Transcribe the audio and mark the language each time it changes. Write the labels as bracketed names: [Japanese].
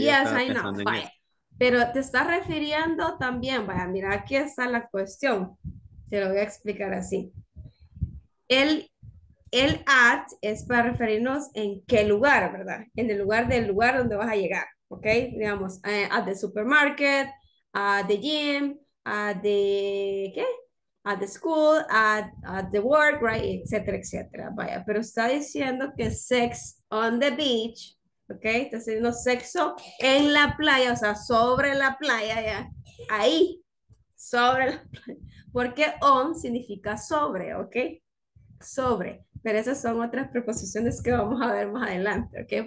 [English] Yes, I know. [Spanish] Vaya. Pero te estás refiriendo también, vaya, mira, aquí está la cuestión. Te lo voy a explicar así. El at es para referirnos en qué lugar, ¿verdad? En el lugar del lugar donde vas a llegar, ¿ok? Digamos, [English] at the supermarket, at the gym, at the school, at the work, right? [Spanish] Etcétera, etcétera, vaya. Pero está diciendo que [English] sex on the beach, [Spanish] ¿ok? Está diciendo sexo en la playa, o sea, sobre la playa, ya. Ahí, sobre la playa. Porque on significa sobre, ¿ok? Sobre, Pero esas son otras preposiciones que vamos a ver más adelante, ¿ok?